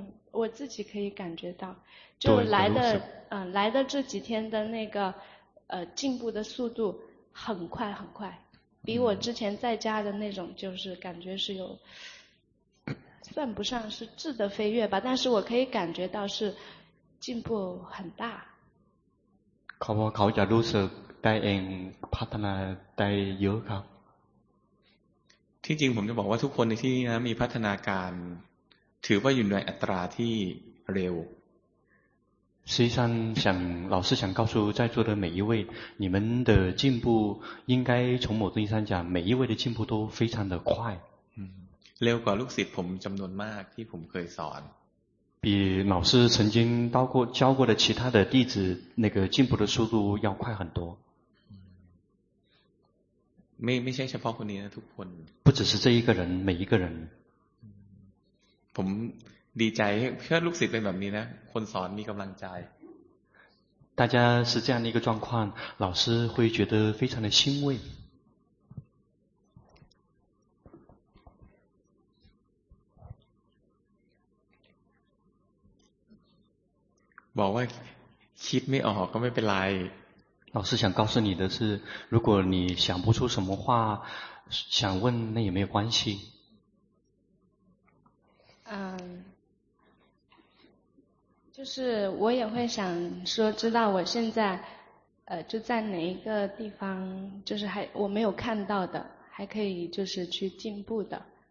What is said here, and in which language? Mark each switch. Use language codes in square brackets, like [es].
[zh] 我自己可以感觉到就来的来的这几天的那个进步的速度很快很快比我之前在家的那种就是感觉是有算不上是质的飞跃吧但是我可以感觉到是进步很大 [th] เขาบอกเขาจะรู้สึกได้เองพัฒนาได้เยอะครับ ที่จริงผมจะบอกว่าทุกคนในที่นี้นะมีพัฒนาการถือว่าอยู่ในอัตราที่เร็ว [zh] 实际上想老师想告诉在座的每一位你们的进步应该从某种意义上讲每一位的进步都非常的快 [th] เร็วกว่าลูกศิษย์ผมจำนวนมากที่ผมเคยสอน [zh] 比老师曾经到过教过的其他的弟子那个进步的速度要快很多 [th] ไม่ใช่เฉพาะคนนี้นะทุกคน [zh] 不只是这一个人每一个人 [th] ผมดีใจเพื่อลูกศิษย์เป็นแบบนี้นะคนสอนมีกำลังใจ [zh] 大家是这样的一个状况老师会觉得非常的欣慰 [th] บอกว่าคิดไม่ออกก็ไม่เป็นไร [zh] 老师想告诉你的是如果你想不出什么话想问那也没有关系就是我也会想说知道我现在就在哪一个地方就是还我没有看到的还可以就是去进步的